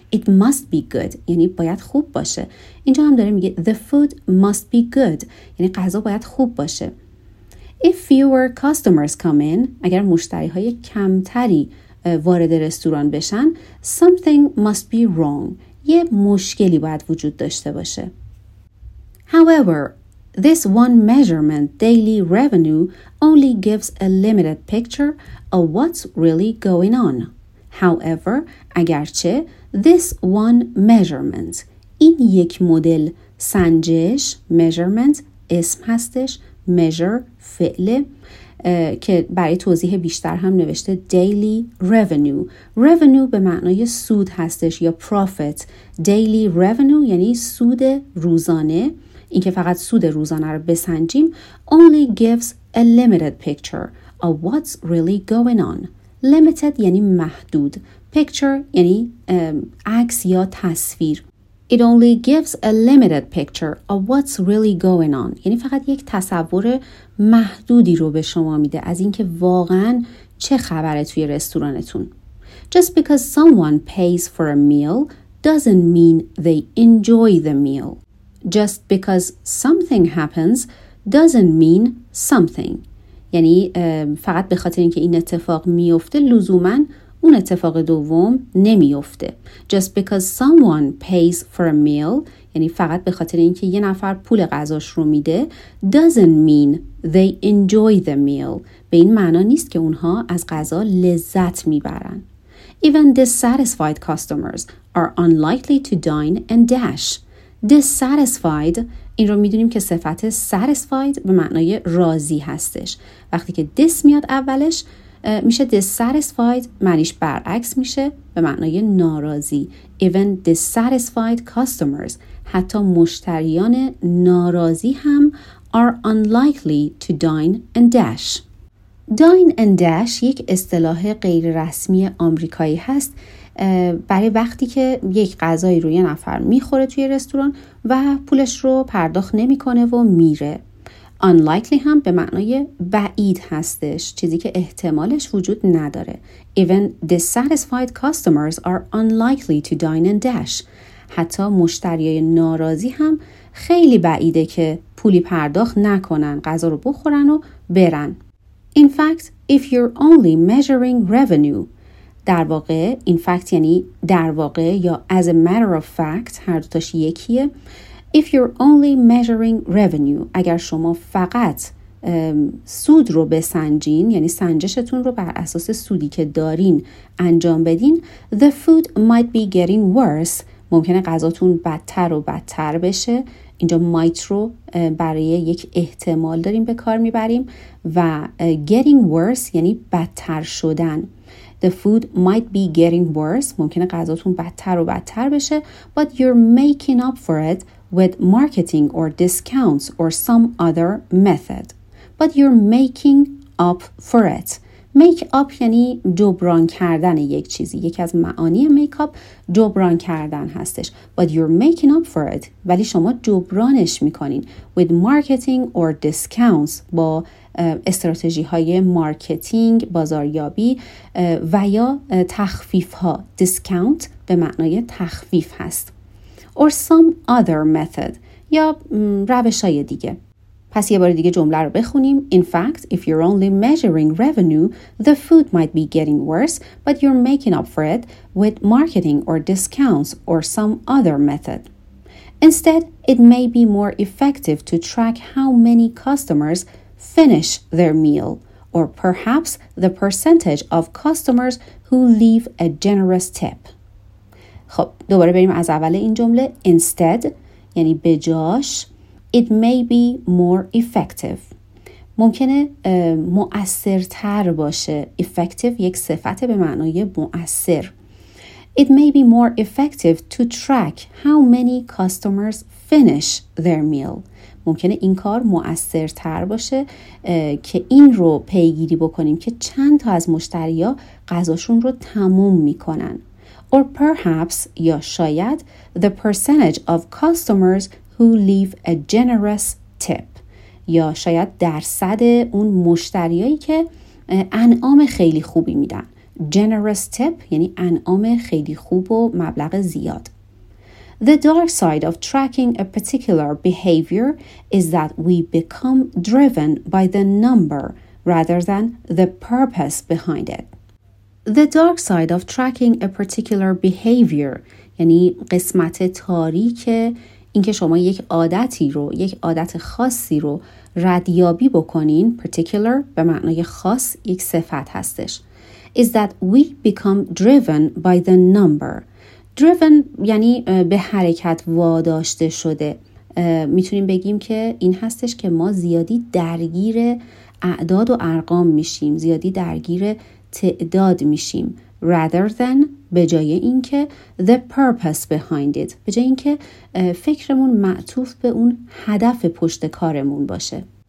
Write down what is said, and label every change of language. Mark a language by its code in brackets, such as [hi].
[en] It must be good. [fa] یعنی باید خوب باشه. اینجا هم داره میگه [en] The food must be good. [fa] یعنی غذا باید خوب باشه. [en] If fewer customers come in, [fa] اگر مشتری های کمتری وارد رستوران بشن, [en] something must be wrong. [fa] یه مشکلی باید وجود داشته باشه. [en] However, this one measurement, daily revenue, only gives a limited picture of what's really going on. [fa] However, اگرچه, [en] this one measurement, [fa] این یک مدل سنجش, measurement, اسم هستش, measure, فعل, که برای توضیح بیشتر هم نوشته daily revenue. Revenue به معنای سود هستش یا profit. Daily revenue یعنی سود روزانه. این که فقط سود روزانه رو بسنجیم [en] only gives a limited picture of what's really going on. [fa] Limited یعنی محدود. Picture یعنی عکس یا تصویر. [en] It only gives a limited picture of what's really going on. [fa] یعنی فقط یک تصور محدودی رو به شما میده از اینکه واقعا چه خبره توی رستورانتون. [en] Just because someone pays for a meal doesn't mean they enjoy the meal. Just because something happens doesn't mean something. [fa] یعنی فقط به خاطر اینکه این اتفاق میفته لزوماً اون اتفاق دوم نمیفته. [en] Just because someone pays for a meal, [fa] یعنی فقط به خاطر اینکه یه نفر پول غذاش رو میده, [en] doesn't mean they enjoy the meal. [fa] به این معنا نیست که اونها از غذا لذت میبرن. [en] Even dissatisfied customers are unlikely to dine and dash. [fa] Dissatisfied, این رو میدونیم که صفت satisfied به معنای راضی هستش. وقتی که dis میاد اولش میشه dissatisfied, معنیش برعکس میشه به معنای ناراضی. [en] Even dissatisfied customers, [fa] حتی مشتریان ناراضی هم [en] are unlikely to dine and dash. [fa] Dine and dash یک اصطلاح غیر رسمی آمریکایی هست برای وقتی که یک غذایی رو یه نفر میخوره توی رستوران و پولش رو پرداخت نمیکنه و میره. Unlikely هم به معنای بعید هستش, چیزی که احتمالش وجود نداره. [en] Even dissatisfied customers are unlikely to dine and dash. [fa] حتی مشتریای ناراضی هم خیلی بعیده که پولی پرداخت نکنن, غذا رو بخورن و برن. [en] In fact, if you're only measuring revenue, در واقع, in fact [fa] یعنی در واقع یا [en] as a matter of fact, [fa] هر دوتاش یکیه. [en] If you're only measuring revenue, [fa] اگر شما فقط سود رو بسنجین, یعنی سنجشتون رو بر اساس سودی که دارین انجام بدین, [en] the food might be getting worse. [fa] ممکنه غذاتون بدتر و بدتر بشه. اینجا might رو برای یک احتمال داریم به کار میبریم و getting worse یعنی بدتر شدن. [en] The food might be getting worse. [fa] ممکنه غذاتون بدتر و بدتر بشه. [en] But you're making up for it with marketing or discounts or some other method. But you're making up for it. [fa] Make up یعنی جبران کردن یک چیزی. یکی از معانی make up جبران کردن هستش. [en] But you're making up for it. [fa] ولی شما جبرانش میکنین. [en] With marketing or discounts. [fa] با استراتژی های مارکتینگ, بازاریابی و یا تخفیف ها. Discount به معنای تخفیف هست. [en] Or some other method. [fa] یا روش های دیگه. پس یه بار دیگه جمله رو بخونیم. [en] In fact, if you're only measuring revenue, the food might be getting worse, but you're making up for it with marketing or discounts or some other method. Instead, it may be more effective to track how many customers finish their meal, or perhaps the percentage of customers who leave a generous tip. [fa] خب دوباره بریم از اول این جمله. [en] Instead [fa] یعنی به جاش. [en] It may be more effective. [fa] ممکنه مؤثرتر باشه. Effective یک صفت به معنای مؤثر. [en] It may be more effective to track how many customers finish their meal. [fa] ممکنه این کار مؤثرتر باشه که این رو پیگیری بکنیم که چند تا از مشتری ها غذاشون رو تموم میکنن. [en] Or perhaps, [fa] یا شاید, [en] the percentage of customers who leave a generous tip. [fa] یا شاید درصد اون مشتریایی که انعام خیلی خوبی میدن. Generous tip یعنی انعام خیلی خوب و مبلغ زیاد. [en] The dark side of tracking a particular behavior is that we become driven by the number rather than the purpose behind it. The dark side of tracking a particular behavior [fa] یعنی قسمت تاریک اینکه شما یک عادتی رو، یک عادت خاصی رو ردیابی بکنین، particular به معنای خاص یک صفت هستش. [en] Is that we become driven by the number. [fa] Driven یعنی به حرکت واداشته شده. میتونیم بگیم که این هستش که ما زیادی درگیر اعداد و ارقام میشیم، زیادی درگیر تعداد میشیم. [en] Rather than [fa] به جای این که [en] the purpose behind it، [fa] به جای این که فکرمون معطوف به اون هدف پشت کارمون باشه.